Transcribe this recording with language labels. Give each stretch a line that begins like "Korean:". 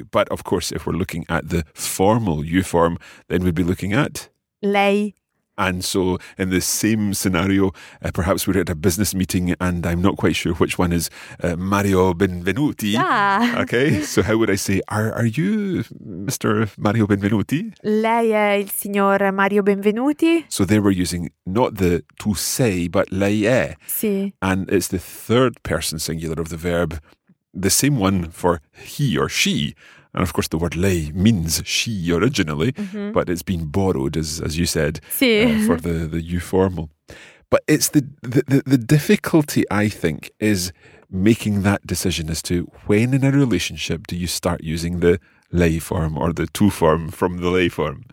English: But of course, if we're looking at the formal you form, then we'd be looking at?
Italian: Lei.
English: And so in the same scenario, perhaps we're at a business meeting and I'm not quite sure which one is Mario Benvenuti. Yeah. Okay, so how would I say, are you Mr. Mario Benvenuti?
Italian: Lei è il signor Mario Benvenuti.
English: So there we're using not the tu sei, but lei è.
Italian: Sì.
English: And it's the third person singular of the verb, the same one for he or she. And of course, the word lei means she originally, mm-hmm. but it's been borrowed, as you said,
Italian: sí.
English: For the euformal. But it's the difficulty, I think, is making that decision as to when in a relationship do you start using the lei form or the tu form from the lei form.